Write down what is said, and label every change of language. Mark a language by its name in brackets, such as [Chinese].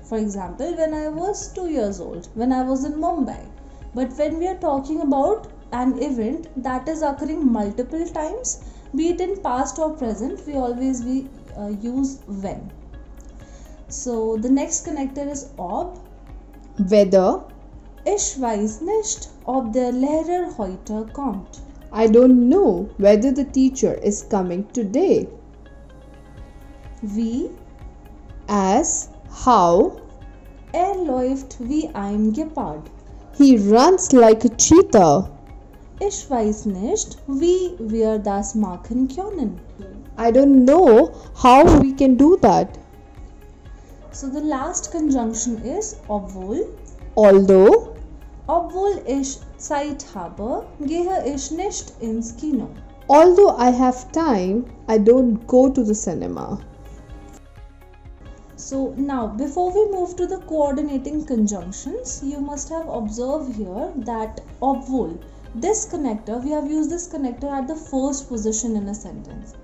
[English] For example, when I was 2 years old, when I was in Mumbai. But when we are talking about an event that is occurring multiple times, be it in past or present, we always use when. So the next connector is ob. Whether. [German] Ich weiß nicht, ob der Lehrer heute kommt. [English] I don't know whether the teacher is coming today. [German] Wie. [English] As, how. [German] Läuft wie ein Gepard. [English] He runs like a cheetah. [German] Ich weiß nicht, wie wir das machen können. [English] I don't know how we can do that. So the last conjunction is obwohl. Although. [German] Obwohl ich Zeit habe, gehe ich nicht ins Kino. [English] Although I have time, I don't go to the cinema. So now, before we move to the coordinating conjunctions, you must have observed here that obwohl, this connector, we have used this connector at the first position in a sentence.